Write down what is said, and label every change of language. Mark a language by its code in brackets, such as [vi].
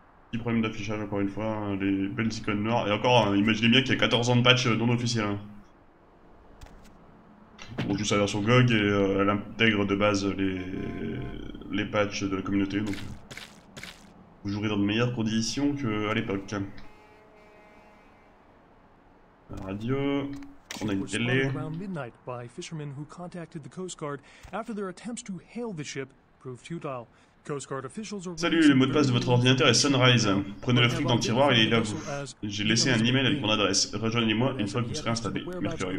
[fr] Petit problème d'affichage encore une fois, hein, les belles icônes noires, et encore, hein, imaginez bien qu'il y a 14 ans de patch non officiel. Hein. On joue sa version GOG et elle intègre de base les patchs de la communauté, donc vous jouerez dans de meilleures conditions qu'à l'époque. La radio, on a une télé. [en] Around midnight by fishermen who contacted the Coast Guard after their attempts to hail the ship proved futile. [fr] Salut, le mot de passe de votre ordinateur est Sunrise. Prenez le truc dans le tiroir et il est là vous. J'ai laissé un email avec mon adresse. Rejoignez-moi une fois que vous serez installé, Mercurio.